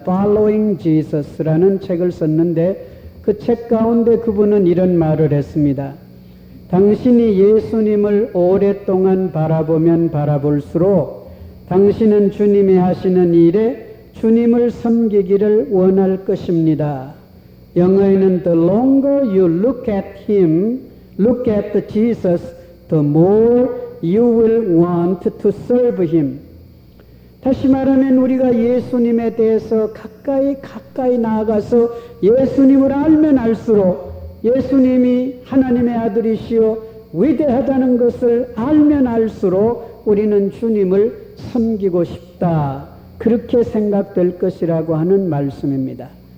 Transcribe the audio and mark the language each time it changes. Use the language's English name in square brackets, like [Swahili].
[Korean] Following Jesus라는 책을 썼는데 그 책 가운데 그분은 이런 말을 했습니다. 당신이 예수님을 오랫동안 바라보면 바라볼수록 당신은 주님이 하시는 일에 주님을 섬기기를 원할 것입니다. 영어에는 [English] The longer you look at him, look at Jesus, the more you will want to serve him. [Korean] 다시 말하면 우리가 예수님에 대해서 가까이 나아가서 예수님을 알면 알수록 예수님이 하나님의 아들이시오 위대하다는 것을 알면 알수록 우리는 주님을 섬기고 싶다 그렇게 생각될 것이라고 하는 말씀입니다.